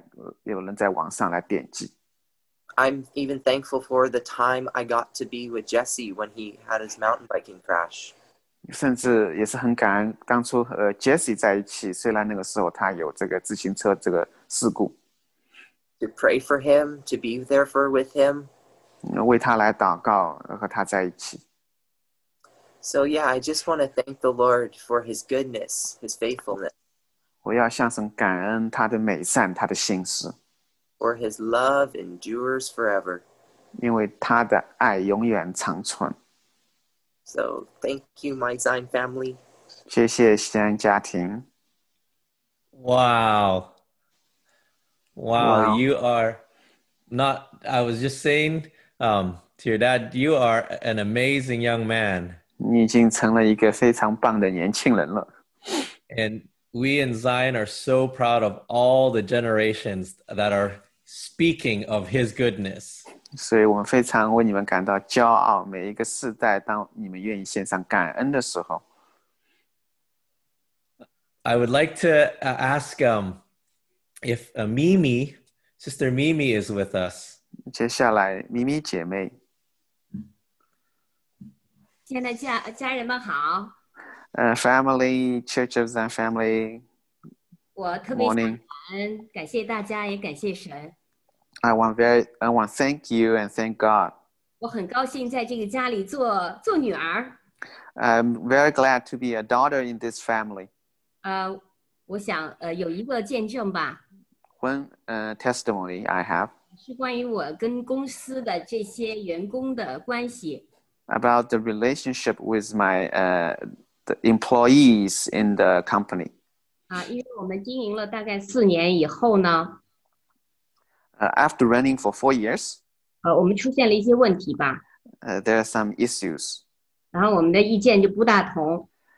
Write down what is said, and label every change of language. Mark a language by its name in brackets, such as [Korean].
[Chinese] 我们的这个猫的生意，这个有两万多来有人在网上来点击。 [English] I'm even thankful for the time I got to be with Jesse when he had his mountain biking crash. [Chinese] 甚至也是很感恩当初和Jesse在一起，虽然那个时候他有这个自行车这个事故。 [English] To pray for him, to be there for with him. [Chinese] 为他来祷告和他在一起。 [English] So yeah, I just want to thank the Lord for his goodness, his faithfulness. [Chinese] 我要向神感恩他的美善，他的信实。 [English] For his love endures forever. [Chinese] 因为他的爱永远长存。 [English] So thank you, my Zion family. [Chinese] 谢谢西安家庭。 [English] Wow. Wow, you are not, I was just saying to your dad, you are an amazing young man. [Chinese] 你已经成了一个非常棒的年轻人了。 [English] And we in Zion are so proud of all the generations that are speaking of his goodness. [Chinese] 所以我们非常为你们感到骄傲,每一个世代当你们愿意献上感恩的时候。 [English] I would like to ask if Mimi, Sister Mimi is with us. [Chinese] 接下来,Mimi姐妹。亲爱的家人们好。 [English] Family, Church of Zion Family, morning. [Chinese] 感谢大家也感谢神。 [English] I want to thank you and thank God. [Chinese] 我很高兴在这个家里做女儿。 [English] I'm very glad to be a daughter in this family. [Chinese] 我想有一个见证吧。 [English] One testimony I have. [Chinese] 是关于我跟公司的这些员工的关系。 [English] About the relationship with my the employees in the company. [Chinese] 因为我们经营了大概四年以后呢。 [English] After running for 4 years, [Chinese] 我们出现了一些问题吧。 [English] There are some issues. [Chinese] 然后我们的意见就不大同。